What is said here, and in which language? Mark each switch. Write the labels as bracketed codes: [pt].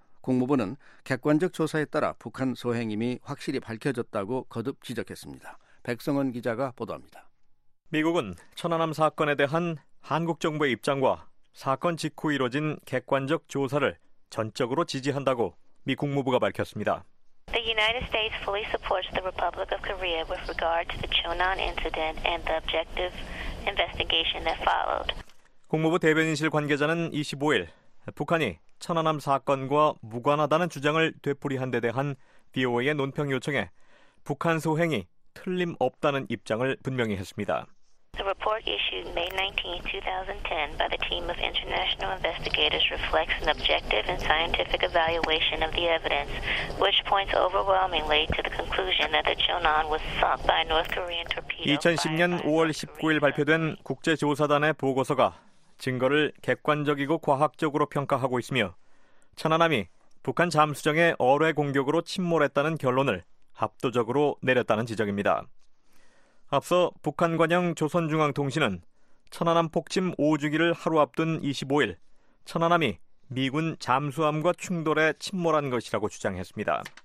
[ko] 국무부는 객관적 조사에 따라 북한 소행임이 확실히 밝혀졌다고 거듭 지적했습니다. 백성원 기자가 보도합니다. 미국은 천안함 사건에 대한 한국 정부의 입장과 사건 직후 이뤄진 객관적 조사를 전적으로 지지한다고 미 국무부가 밝혔습니다. [en] The United States fully supports the Republic of Korea with regard to the Chonan incident and the objective investigation that followed. [ko] 국무부 대변인실 관계자는 25일 북한이 천안함 사건과 무관하다는 주장을 되풀이한 데 대한 BOA의 논평 요청에 북한 소행이 틀림없다는 입장을 분명히 했습니다. [en] The report issued May 19, 2010 by the team of international investigators reflects an objective and scientific evaluation of the evidence, which points overwhelmingly to the conclusion that the Chonan was sunk by North Korean torpedo. [ko] 2010년 5월 19일 발표된 국제조사단의 보고서가 증거를 객관적이고 과학적으로 평가하고 있으며 천안함이 북한 잠수정의 어뢰 공격으로 침몰했다는 결론을 합도적으로 내렸다는 지적입니다. 앞서 북한 관영 조선중앙통신은 천안함 폭침 5주기를 하루 앞둔 25일 천안함이 미군 잠수함과 충돌해 침몰한 것이라고 주장했습니다.